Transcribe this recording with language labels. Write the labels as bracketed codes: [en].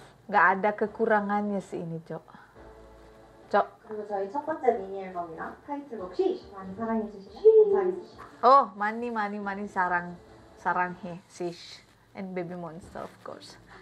[id] Gak ada kekurangannya sih ini, Cok. [ko] 그리고 저희 첫 번째 미니 앨범이랑 타이틀곡 Shish 많이 사랑해 주시죠. 감사합니다. 오, 많이 사랑해 [en] Shish and Baby Monster of course.